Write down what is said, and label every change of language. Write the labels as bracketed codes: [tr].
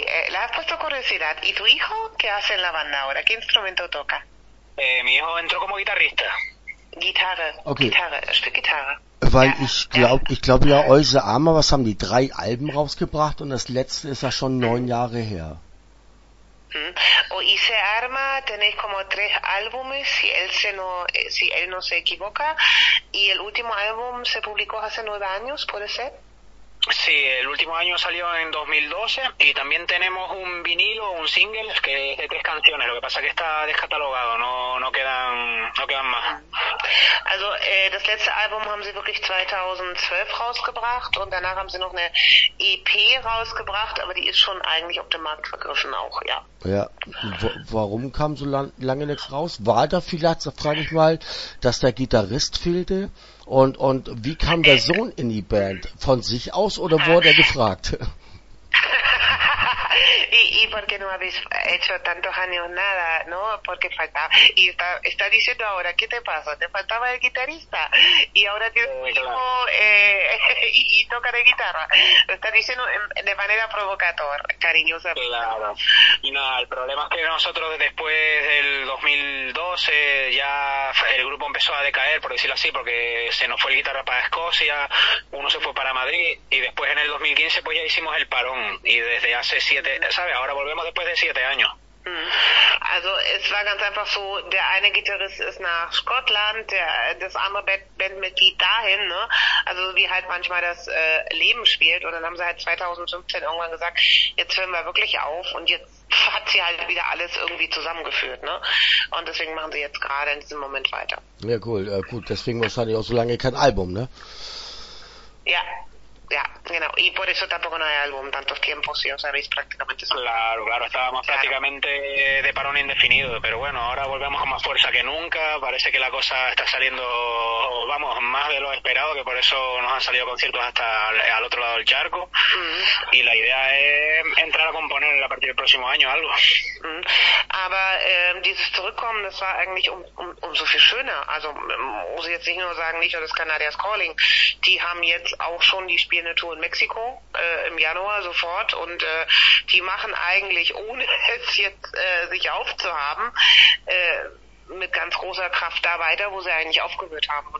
[es] La has puesto curiosidad. ¿Y tu hijo qué hace en la banda ahora? ¿Qué instrumento toca? Mi hijo entró como guitarrista. [de] Gitarre. Okay. Gitarre. Ein Stück Gitarre. Weil ja, ich glaube ja, Euse Ama, was haben die, 3 Alben rausgebracht und das letzte ist ja schon 9 Jahre her. [es] Euse Ama tenéis como 3 Álbumes, si él no se equivoca, y el último álbum se publicó hace 9 años, puede ser? Sí, el último año salió en 2012 y también tenemos un vinilo, un single que es de tres canciones. Lo que pasa es que está descatalogado, no quedan más. [de] Also, das letzte Album haben Sie wirklich 2012 rausgebracht und danach haben Sie noch eine EP rausgebracht, aber die ist schon eigentlich auf dem Markt vergriffen auch, ja. Ja, warum kam so lange nichts raus? War da vielleicht, da frage ich mal, dass der Gitarrist fehlte? Und wie kam der Sohn in die Band? Von sich aus oder wurde er gefragt? [es] Y porque no habéis hecho tantos años nada, ¿no? Porque faltaba. Y está diciendo ahora, ¿qué te pasó? Te faltaba el guitarrista. Y ahora tienes un Claro. hijo y toca de guitarra. Lo está diciendo de manera provocadora, cariñosamente, Claro. Y nada, el problema es que nosotros después del 2012 ya el grupo empezó a decaer, por decirlo así, porque se nos fue el guitarra para Escocia, uno se fue para Madrid y después en el 2015 pues ya hicimos el parón y desde hace 7, ¿sabes? Ahora volvemos después de 7 años. [de] Also es war ganz einfach so, der eine Gitarrist ist nach Schottland, das andere Bandmitglied dahin, ne? Also wie halt manchmal das Leben spielt. Und dann haben sie halt 2015 irgendwann gesagt, jetzt hören wir wirklich auf und jetzt hat sie halt wieder alles irgendwie zusammengeführt, ne? Und deswegen machen sie jetzt gerade in diesem Moment weiter. Ja, cool, gut, deswegen wahrscheinlich auch so lange kein Album, ne? Ja, genau. [es] Y por eso tampoco no hay álbum, tantos tiempos, si os sabéis prácticamente solo. Claro, estábamos Claro. prácticamente de parón indefinido, pero bueno, ahora volvemos con más fuerza que nunca, parece que la cosa está saliendo, vamos, más de lo esperado, que por eso nos han salido conciertos hasta al otro lado del charco, y la idea es entrar a componer a partir del próximo año algo. [de] Aber dieses Zurückkommen, das war eigentlich umso viel schöner. Also muss ich jetzt nicht nur sagen, nicht nur das Canarias Calling, die haben jetzt auch schon die spielen eine Tour in Mexiko im Januar sofort und die machen eigentlich, ohne es jetzt sich aufzuhaben, mit ganz großer Kraft da weiter, wo sie eigentlich aufgehört haben.